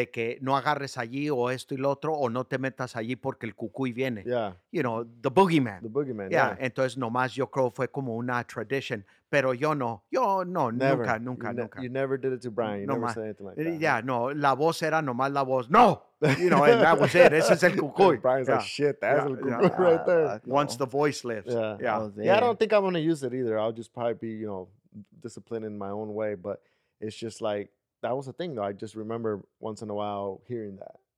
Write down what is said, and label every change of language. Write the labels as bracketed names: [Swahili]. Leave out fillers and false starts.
[Spanish] de que no agarres allí o esto y lo otro, o no te metas allí porque el cucuy viene. [English] Yeah. You know, the boogeyman. The boogeyman, yeah. [Spanish] Entonces nomás yo creo fue como una tradition. Pero yo no, [English] never. [Spanish] nunca. [English] You never did it to Brian, you never said anything like that. [Spanish] Yeah, no, la voz era nomás la voz, no! [English] You know, and that was it, [Spanish] ese es el cucuy. [English] Brian's yeah. like, shit, that's yeah. el cucuy yeah. right there. Once no. the voice lifts. Yeah, I don't think I'm going to use it either. I'll just probably be, you know, disciplined in my own way. But it's just like, that was a thing though. I just remember once in a while hearing that.